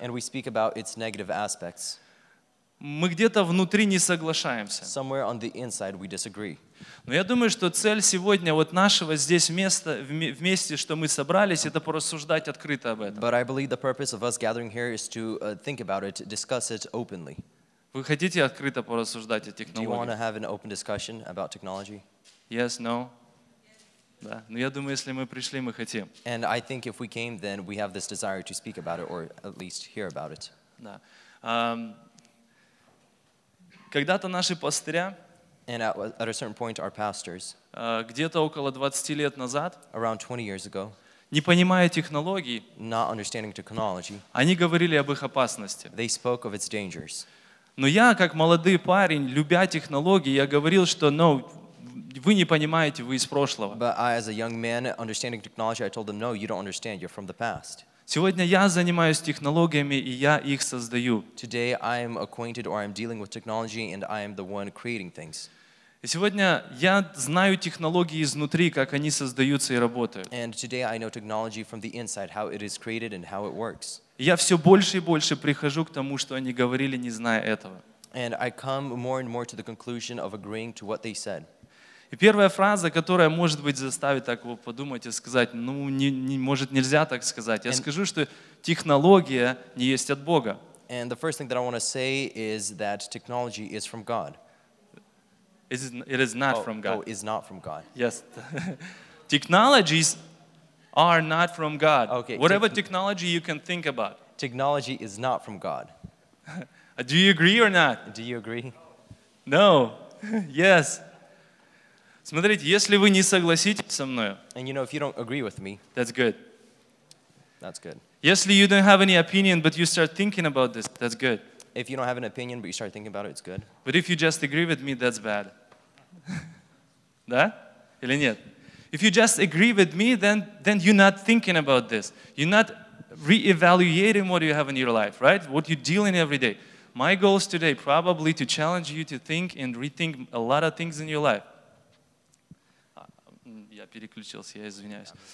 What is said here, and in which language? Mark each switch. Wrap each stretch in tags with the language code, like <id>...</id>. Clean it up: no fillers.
<en>and we speak about its negative aspects.</en> <ru>Мы где-то внутри не соглашаемся.</ru> <en>Somewhere on the inside we disagree.</en> <ru>Но я думаю, что цель сегодня вот нашего здесь места, вместе, что мы собрались, это порассуждать открыто об этом.</ru> <en>But I believe the purpose of us gathering here is to think about it, discuss it openly.</en> <ru>Вы хотите открыто порассуждать о технологии?</ru> <en>Do you want to have an open discussion about technology? Yes, no.</en> <ru>Да. Но я думаю, если мы пришли, мы хотим.</ru> <en>And I think if we came, then we have this desire to speak about it or at least hear about it.</en> <ru>Да. Когда-то наши пастыря,</ru> <en>and at a certain point our pastors,</en> <ru>где-то около 20 лет назад,</ru> <en>around 20 years ago,</en> <ru>не понимая технологий,</ru> <en>not understanding technology,</en> <ru>они говорили об их опасности.</ru> <en>They spoke of its dangers.</en> <ru>Но я, как молодой парень, любя технологии, я говорил, что no, вы не понимаете, вы из прошлого.</ru> <en>But I, as a young man, understanding technology, I told them, no, you don't understand, you're from the past.</en> <ru>Сегодня я занимаюсь технологиями, и я их создаю.</ru> <en>Today I am acquainted or I'm dealing with technology and I am the one creating things.</en> <ru>И сегодня я знаю технологии изнутри, как они создаются и работают.</ru> <en>And today I know technology from the inside, how it is created and how it works.</en> <ru>Я все больше и больше прихожу к тому, что они говорили, не зная этого.</ru> <en>And I come more and more to the conclusion of agreeing to what they said.</en> <ru>И первая фраза, которая, может быть, заставит так его подумать и сказать, ну, не, может, нельзя так сказать. Я скажу, что технология не есть от Бога.</ru> <en>And the first thing that I want to say is that technology is from God. It is not from God. Oh, is not from God. Yes. Technologies are not from God. Okay, whatever technology you can think about. Technology is not from God. Do you agree or not? Do you agree? No. Yes.</en> <ru>Смотрите, если вы не согласитесь со мной,</ru> <en>and you know, if you don't agree with me, that's good. That's good.</en> <ru>Если</ru> <en>you don't have any opinion, but you start thinking about this, that's good. If you don't have an opinion, but you start thinking about it, it's good. But if you just agree with me, that's bad.</en> <ru>Да? Или нет?</ru> <en>If you just agree with me, then you're not thinking about this. You're not re-evaluating what you have in your life, right? What you're dealing every day. My goal is today probably to challenge you to think and rethink a lot of things in your life.</en> <ru>Я переключился, я извиняюсь.</ru>